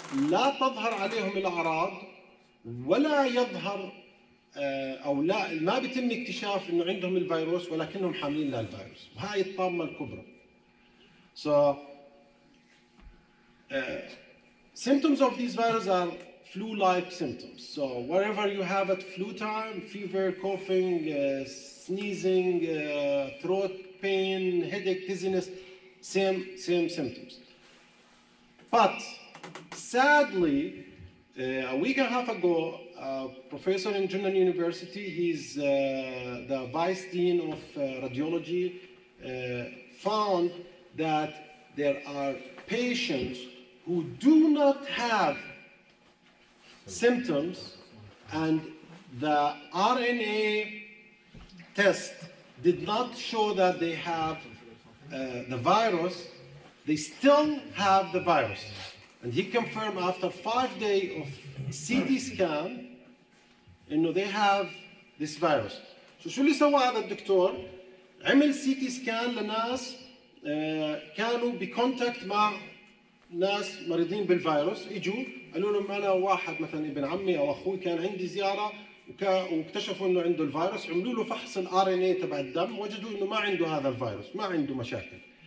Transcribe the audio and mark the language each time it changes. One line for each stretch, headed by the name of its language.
Arabic: لا تظهر عليهم الاعراض ولا يظهر او لا ما بيتم اكتشاف انه عندهم الفيروس ولكنهم حاملين للفيروس وهي الطامه الكبرى
English: so symptoms of these viruses are flu-like symptoms. So wherever you have at flu time, fever, coughing, sneezing, throat pain, headache, dizziness, same symptoms. But sadly, a week and a half ago, a professor in Jinan University, he's the vice dean of radiology, found that there are patients who do not have symptoms and the RNA test did not show that they have the virus, they still have the virus. And he confirmed after 5 days of CT scan, you know, they have this virus.
Arabic: So, شو اللي سوى هذا الدكتور؟ عمل CT scan لناس كانوا بكونتاكت مع ناس مريضين بالفيروس اجوا قالوا لهم انا واحد مثلا ابن عمي او اخوي كان عندي زياره واكتشفوا انه عنده الفيروس عملوا له فحص الار ان اي تبع الدم وجدوا انه ما عنده هذا الفيروس ما عنده مشاكل